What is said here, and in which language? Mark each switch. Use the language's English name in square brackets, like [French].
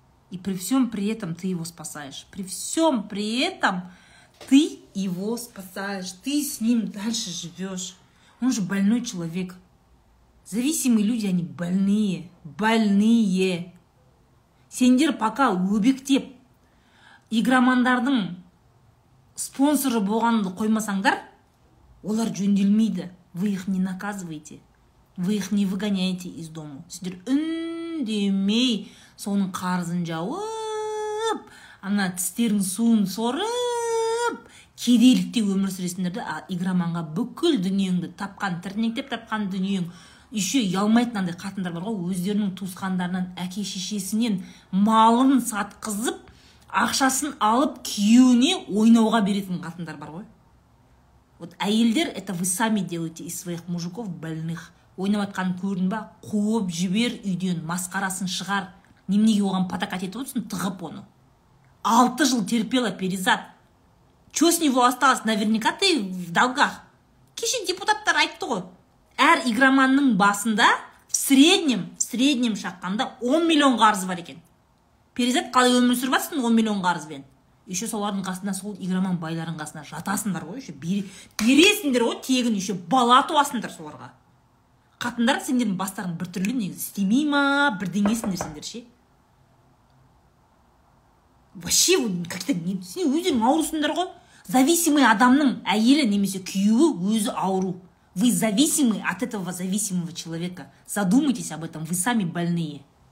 [Russian] И при всем при этом ты его спасаешь. При всем при этом ты его спасаешь. Ты с ним дальше живешь. Он же больной человек. Зависимые люди, они больные. Больные. [Kazakh] Сендер пока өбектеп игромандардың спонсоры болғанды қоймасаңдар, олар жөнделмейді. [Russian] Вы их не наказываете. Вы их не выгоняете из дому. [Kazakh] Сендер үндемей соның қарызын жауып, ана тістерін суын сорып, кедейлікте өмір сүресіңдер де, игроманға бүкіл дүниеңді тапқан, тірнектеп тапқан дүниең, еще ұялмайтынандай қатындар бар ғой, өздерінің туысқандарынан, әке шешесінен малын сатқызып, ақшасын алып, күйеуіне ойнауға беретін қатындар бар ғой. [Russian] Вот [Kazakh] әйелдер, [Russian] это вы сами делаете из своих мужиков больных. [Kazakh] Ойнаватқанын көрдің ба, қуып жібер үйден, масқарасын шығар. Немнеге оған патакат етіп отырсың, тығып оны. [Russian] 6 жыл терпела Перизат. Че с него осталось? Наверняка ты в долгах. [Kazakh] Кеше депутаттар айтты ғой. Әр игроманның басында [Russian] в среднем [Kazakh] шаққанда 10 миллион қарызы бар екен. Перизат қалай өмір сүріп жатсың 10 миллион қарызбен. Еще солардың қасында сол игроман байларының қасына жатасыңдар ғой. Еще бересіңдер ғой тегін. Еще бала туасыңдар соларға. Қатындар сендердің бастарын бір түрлі негізі істемей ма, бірдеңесіңдер сендер ше. [Russian] Вообще, как-то не [Kazakh] түсіне, өздерің аурусыңдар ғой. [Russian] Зависимый [Kazakh] адамның әйелі немесе күйеуі өзі ауру. [Russian] Вы зависимы от этого зависимого человека. Задумайтесь об этом, вы сами больные.